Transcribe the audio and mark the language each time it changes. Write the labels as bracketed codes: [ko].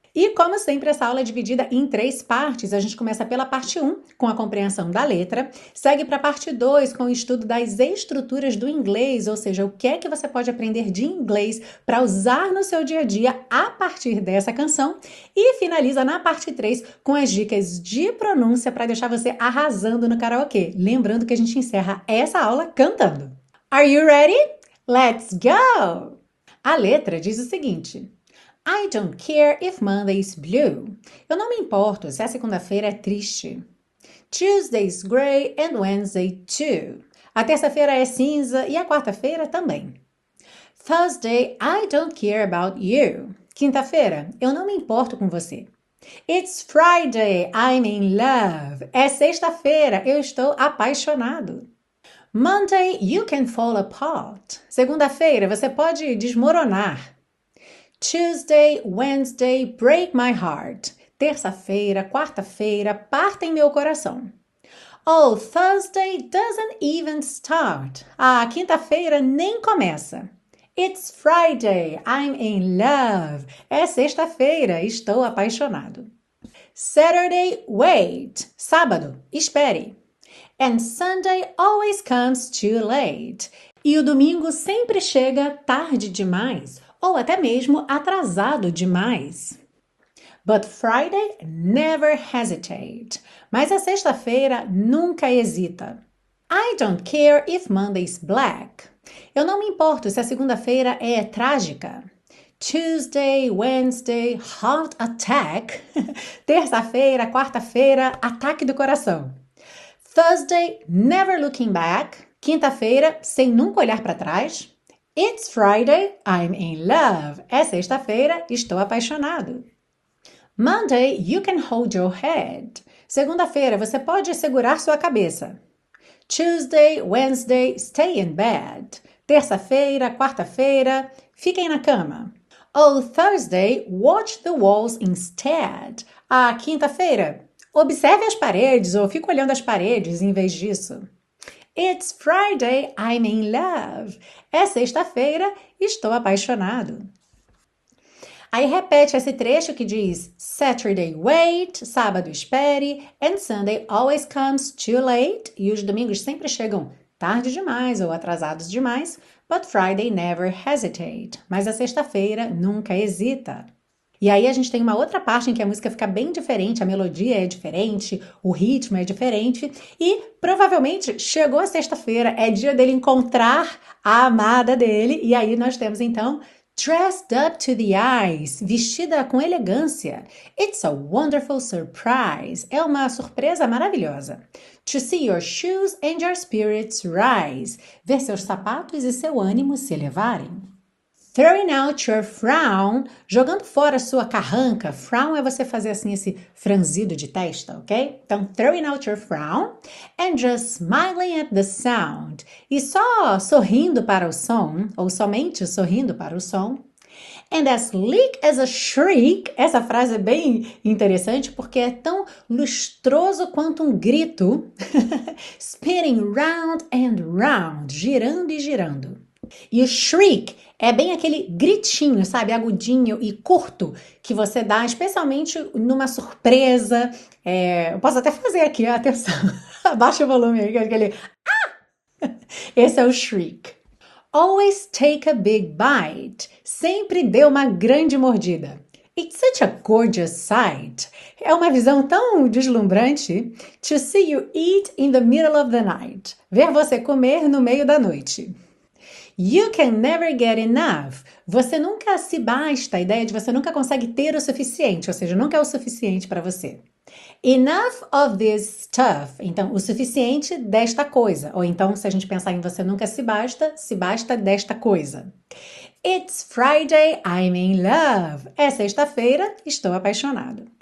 [pt] E como sempre, essa aula é dividida em três partes. A gente começa pela parte 1, com a compreensão da letra, segue para a parte 2, com o estudo das estruturas do inglês, ou seja, o que é que você pode aprender de inglês para usar no seu dia a dia a partir dessa canção, e finaliza na parte 3, com as dicas de pronúncia para deixar você arrasando no karaokê. Lembrando que a gente encerra essa aula cantando. [en] Are you ready? Let's go! [pt] A letra diz o seguinte: [en] I don't care if Monday is blue. [pt] Eu não me importo se a segunda-feira é triste. [en] Tuesday is gray and Wednesday too. [pt] A terça-feira é cinza e a quarta-feira também. [en] Thursday, I don't care about you. [pt] Quinta-feira, eu não me importo com você. [en] It's Friday, I'm in love. [pt] É sexta-feira, eu estou apaixonado. [en] Monday, you can fall apart. [pt] Segunda-feira, você pode desmoronar. [en] Tuesday, Wednesday, break my heart. [pt] Terça-feira, quarta-feira, partem meu coração. [en] Oh, Thursday doesn't even start. [pt] Ah, quinta-feira nem começa. [en] It's Friday, I'm in love. [pt] É sexta-feira, estou apaixonado. [en] Saturday, wait. [pt] Sábado, espere. [en] And Sunday always comes too late. [pt] E o domingo sempre chega tarde demais. Ou até mesmo atrasado demais. [en] But Friday never hesitate. [pt] Mas a sexta-feira nunca hesita. [en] I don't care if Monday's black. [pt] Eu não me importo se a segunda-feira é trágica. [en] Tuesday, Wednesday, heart attack. [pt] Terça-feira, quarta-feira, ataque do coração. [en] Thursday, never looking back. [pt] Quinta-feira, sem nunca olhar para trás. [en] It's Friday, I'm in love. [pt] É sexta-feira, estou apaixonado. [en] Monday, you can hold your head. [pt] Segunda-feira, você pode segurar sua cabeça. [en] Tuesday, Wednesday, stay in bed. [pt] Terça-feira, quarta-feira, fiquem na cama. [en] Oh, Thursday, watch the walls instead. [pt] Ah, quinta-feira, observe as paredes ou fique olhando as paredes em vez disso. [en] It's Friday, I'm in love. [pt] É sexta-feira, estou apaixonado. Aí repete esse trecho que diz: [en] Saturday, wait. [pt] Sábado, espere. [en] And Sunday always comes too late. [pt] E os domingos sempre chegam tarde demais ou atrasados demais. [en] But Friday never hesitate. [pt] Mas a sexta-feira nunca hesita. E aí a gente tem uma outra parte em que a música fica bem diferente, a melodia é diferente, o ritmo é diferente, e provavelmente chegou a sexta-feira, é dia dele encontrar a amada dele, e aí nós temos então [en] dressed up to the eyes, [pt] vestida com elegância. [en] It's a wonderful surprise. [pt] É uma surpresa maravilhosa. [en] To see your shoes and your spirits rise. [pt] Ver seus sapatos e seu ânimo se elevarem. [en] Throwing out your frown, [pt] jogando fora a sua carranca. Frown é você fazer assim esse franzido de testa, ok? Então, [en] throwing out your frown and just smiling at the sound. [pt] E só sorrindo para o som, ou somente sorrindo para o som. [en] And as sleek as a shriek, [pt] essa frase é bem interessante porque é tão lustroso quanto um grito. [en] Spinning round and round, [pt] girando e girando. E o shriek é bem aquele gritinho, sabe, agudinho e curto que você dá, especialmente numa surpresa. Eu posso até fazer aqui, atenção, abaixa o volume aí, aquele. Esse é o shriek. [en] Always take a big bite. [pt] Sempre dê uma grande mordida. [en] It's such a gorgeous sight. [pt] É uma visão tão deslumbrante. [en] To see you eat in the middle of the night. [pt] Ver você comer no meio da noite. [en] You can never get enough. [pt] Você nunca se basta. A ideia de você nunca consegue ter o suficiente. Ou seja, nunca é o suficiente para você. [en] Enough of this stuff. [pt] Então, o suficiente desta coisa. Ou então, se a gente pensar em você nunca se basta desta coisa. [en] It's Friday, I'm in love. [pt] É sexta-feira, estou apaixonado.